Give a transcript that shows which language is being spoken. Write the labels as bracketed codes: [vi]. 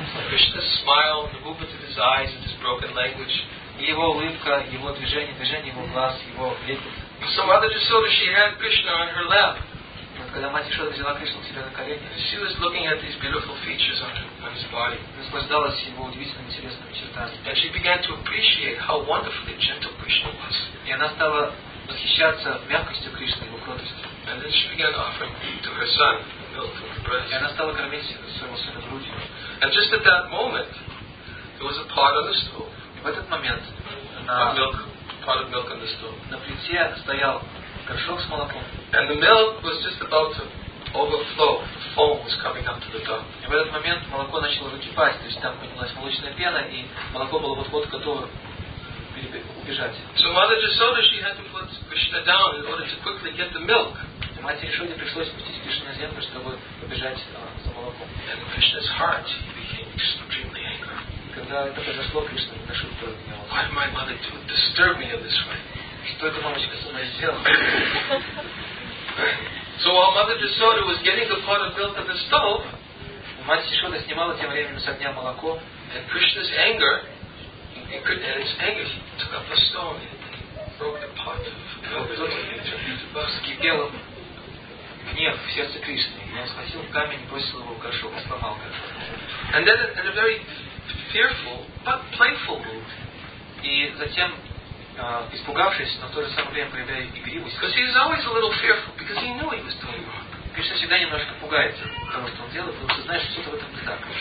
[en] Krishna's smile, the movement of his eyes and his broken language. [ru] Его улыбка, его движение, движение его глаз, его лепет. [en] So Mother Jasoda, she had Krishna on her lap. [ru] Когда мать Яшода взяла Кришну к себе на колени, [en] she was looking at these beautiful features on his body. [ru] Наслаждалась его удивительными интересными чертами. [en] And she began to appreciate how wonderfully gentle Krishna was. [ru] И она стала восхищаться мягкостью Кришны, его кротостью. [en] And then she began offering to her son milk from her breast. [ru] И она стала кормить своего сына грудью. [en] And just at that moment, there was a pot on the stove. [ru] В этот момент на плите стоял горшок с молоком. [en] And the milk was just about to overflow. The foam was coming up to the top. [ru] И в этот момент молоко начало выкипать, то есть там поднялась молочная пена, и молоко было вот-вот готово убежать. [en] So Mother Jasoda, she had to put Krishna down in order to quickly get the milk. [ru] И матери Яшоде пришлось спустить Кришну на землю, чтобы убежать за молоком. [en] And Krishna's heart, he became extremely angry. [ru] Когда это произошло, Кришна не нашел этого гнева. [en] Why my mother to disturb me in this way? [ru] Что эта мамочка со мной сделала? [en] So while Mother Jasoda was getting the pot of milk at the stove, [ru] мать Яшода снимала тем временем с огня молоко, [en] and Krishna's anger, took up the stone and broke the pot of milk. [ru] Вскипело гнев в сердце Кришны. Он схватил камень, бросил его в горшок, сломал горшок. [en] And then in a very fearful, but playful mood. [ru] И затем, испугавшись, но в то же самое время проявляя игривость. [en] Because he was always a little fearful, because he knew he was doing wrong. [ru] Кришна всегда немножко пугается того, что он делает, потому что знает, что-то в этом не так.